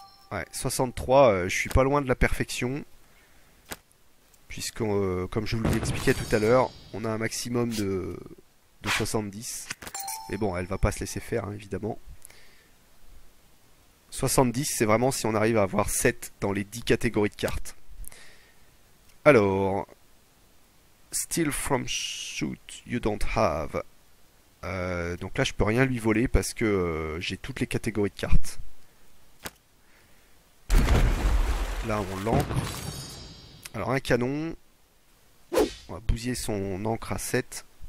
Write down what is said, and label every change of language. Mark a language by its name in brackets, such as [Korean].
[French] Ouais, 63, je suis pas loin de la perfection. Puisque, comme je vous l'expliquais tout à l'heure, on a un maximum de 70. Mais bon, elle va pas se laisser faire, hein, évidemment. 70, c'est vraiment si on arrive à avoir 7 dans les 10 catégories de cartes. [English] Alors, steal from suit you don't have. [French] Donc là, je peux rien lui voler parce que j'ai toutes les catégories de cartes. Là, on l'ancre. Alors un canon, on va bousiller son encre à 7.